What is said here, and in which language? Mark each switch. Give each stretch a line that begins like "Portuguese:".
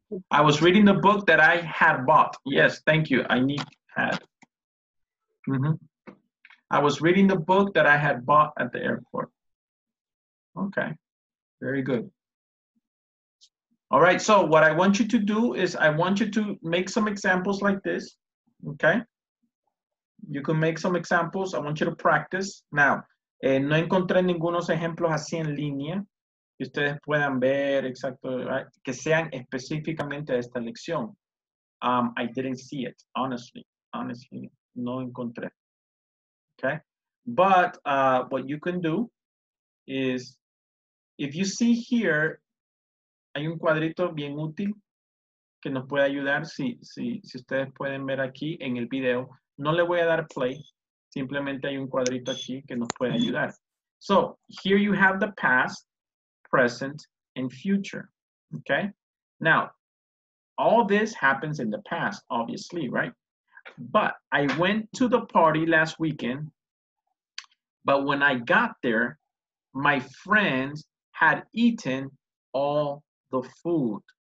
English: I was reading the book that I had bought. Yes, thank you. I need had. Mm-hmm. I was reading the book that I had bought at the airport. Okay, very good. All right, so what I want you to do is I want you to make some examples like this. Okay? You can make some examples. I want you to practice.
Spanish: Now, no encontré ningunos ejemplos así en línea. Que ustedes puedan ver exacto, right? Que sean específicamente esta lección.
English: I didn't see it, honestly,
Spanish: no encontré.
English: Okay, but what you can do is, if you see here,
Spanish: hay un cuadrito bien útil que nos puede ayudar. Si ustedes pueden ver aquí en el video, no le voy a dar play, simplemente hay un cuadrito aquí que nos puede ayudar.
English: So, here you have the past, present, and future, okay? Now, All this happens in the past, obviously, right? But I went to the party last weekend, but when I got there, my friends had eaten all the food.